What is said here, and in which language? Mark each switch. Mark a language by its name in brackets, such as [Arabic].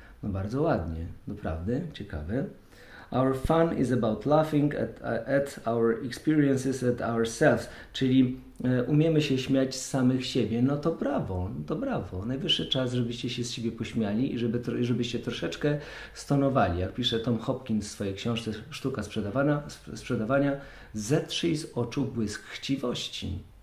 [Polish] No bardzo ładnie, naprawdę ciekawe. [English] Our fun is about laughing at our experiences, at ourselves. [Polish] Czyli umiemy się śmiać z samych siebie. No to brawo, to brawo. Najwyższy czas, żebyście się z siebie pośmiali i żebyście troszeczkę stonowali. Jak pisze Tom Hopkins w swojej książce Sztuka sprzedawania, zetrzyj z oczu błysk chciwości.